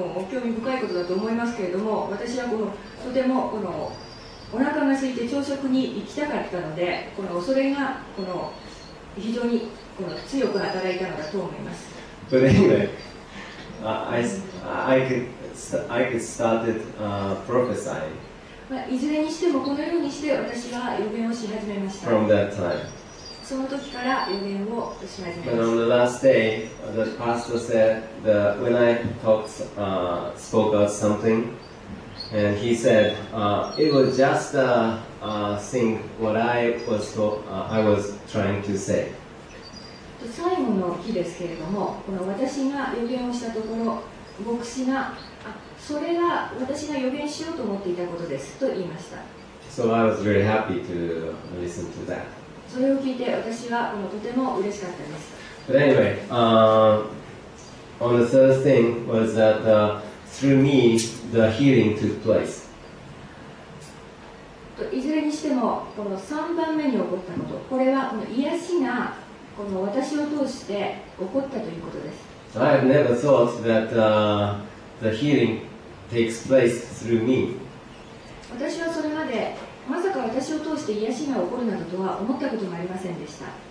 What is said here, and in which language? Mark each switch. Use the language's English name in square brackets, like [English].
[Japanese] 興味深いことだと思いますけれども、私はこのとてもこのお腹が空いて朝食に行きたかったので、この恐れがこの非常にこの強く働いたのだと思います。 [English] But anyway, I could start prophesying. [Japanese] いずれにしてもこのようにして私は予言をし始めました。 [English] From that time. [Japanese] その時から予言をし始めました。 [English] But on the last day, the pastor said that when I talked, spoke out something, and he said, it was just a thing what I was trying to say. [Japanese] 最後の日ですけれども、この私が予言をしたところ、牧師が、それが私が予言しようと思っていたことですと言いました。 [English] So I was very happy to listen to that. [Japanese] それを聞いて私はこのとても嬉しかったです。 [English] But anyway, on the third thing was that through me the healing took place. [Japanese] いずれにしてもこの3番目に起こったこと、これはこの癒しがこの私を通して起こったということです。 [English] I have never thought that the healing takes place through me. [Japanese] 私はそれまでまさか私を通して癒しが起こるなどとは思ったこともありませんでした。